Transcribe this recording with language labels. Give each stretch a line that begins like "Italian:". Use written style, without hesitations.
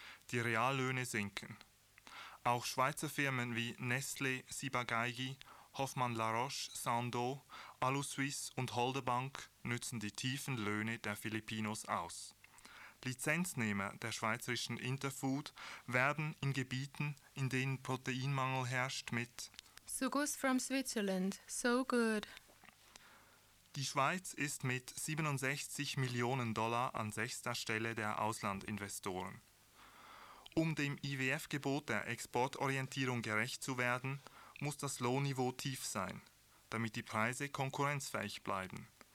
German: Die Reallöhne sinken. Auch Schweizer Firmen wie Nestlé, Sibagaigi, Hoffmann La Roche, Sando, Aluswiss und Holdebank nützen die tiefen Löhne der Filipinos aus. Lizenznehmer der schweizerischen Interfood werben in Gebieten, in denen Proteinmangel herrscht, mit
English: Sugus from Switzerland, so good.
German: Die Schweiz ist mit 67 Millionen Dollar an sechster Stelle der Auslandinvestoren. Um dem IWF-Gebot der Exportorientierung gerecht zu werden, muss das Lohnniveau tief sein, damit die Preise konkurrenzfähig bleiben.